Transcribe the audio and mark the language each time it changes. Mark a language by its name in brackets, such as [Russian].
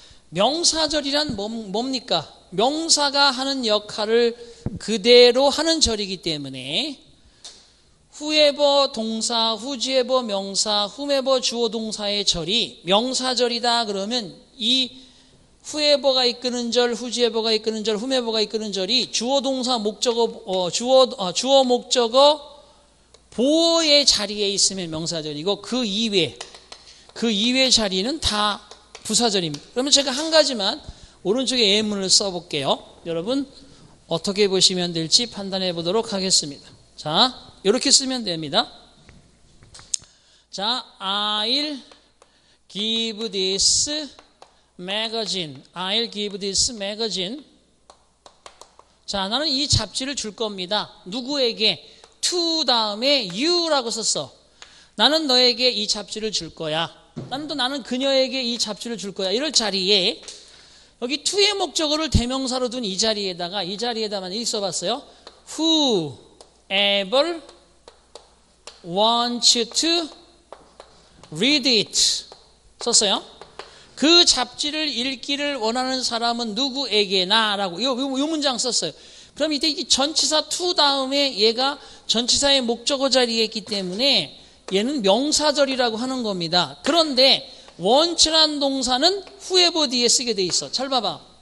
[Korean] 명사절이란 뭡니까? 명사가 하는 역할을 그대로 하는 절이기 때문에 whoever 동사, whichever 명사, whomever 주어 동사의 절이 명사절이다 그러면 이 whoever가 이끄는 절, whichever가 이끄는 절, whomever가 이끄는 절이 주어 동사 목적어 주어 목적어 보어의 자리에 있으면 명사절이고 그 이외 자리는 다 부사절입니다. 그러면 제가 한 가지만 오른쪽에 예문을 써볼게요. 여러분 어떻게 보시면 될지 판단해 보도록 하겠습니다. 자, 이렇게 쓰면 됩니다. [English] 자, I'll give this magazine. I'll give this magazine. [Korean] 자, 나는 이 잡지를 줄 겁니다. 누구에게? To 다음에 you라고 썼어. 나는 너에게 이 잡지를 줄 거야. 나는 그녀에게 이 잡지를 줄 거야. 이럴 자리에 여기 to의 목적어를 대명사로 둔 이 자리에다만 이렇게 써봤어요. [English] Whoever wants to read it [Korean] 썼어요. 그 잡지를 읽기를 원하는 사람은 누구에게나 라고 요 문장 썼어요. 그럼 이때 이 전치사 to 다음에 얘가 전치사의 목적어 자리에 있기 때문에 얘는 명사절이라고 하는 겁니다. 그런데 want란 동사는 whoever 뒤에 쓰게 돼 있어. 잘 봐봐.